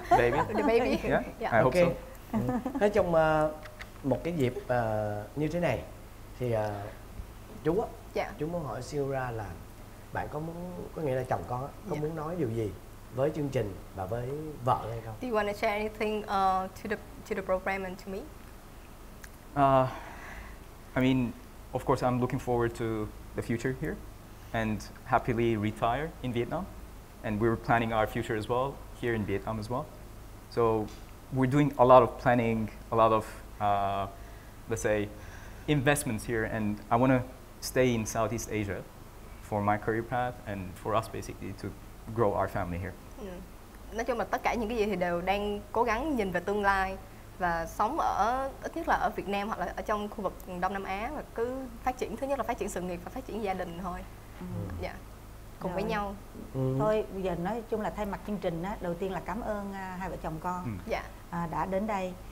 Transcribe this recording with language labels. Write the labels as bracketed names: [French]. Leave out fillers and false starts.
[English] baby. The baby. Yeah. I hope so. [Vietnamese] Nói chung một cái dịp như thế này thì chú á, chú muốn hỏi Siura là bạn có muốn, có nghĩa là chồng con có muốn nói điều gì với chương trình và với vợ hay không? [English] Do you want to share anything to the program and to me? I mean, of course, I'm looking forward to the future here and happily retire in Vietnam. And we're planning our future as well here in Vietnam as well. So we're doing a lot of planning, a lot of, let's say, investments here. And I want to stay in Southeast Asia for my career path and for us basically to grow our family here. [Vietnamese] Nói chung là tất cả những cái gì thì đều đang cố gắng nhìn về tương lai. Và sống ở ít nhất là ở Việt Nam hoặc là ở trong khu vực Đông Nam Á, và cứ phát triển, thứ nhất là phát triển sự nghiệp và phát triển gia đình thôi. Dạ. Cùng rồi. Với nhau. Thôi bây giờ nói chung là thay mặt chương trình á, đầu tiên là cảm ơn hai vợ chồng con đã đến đây.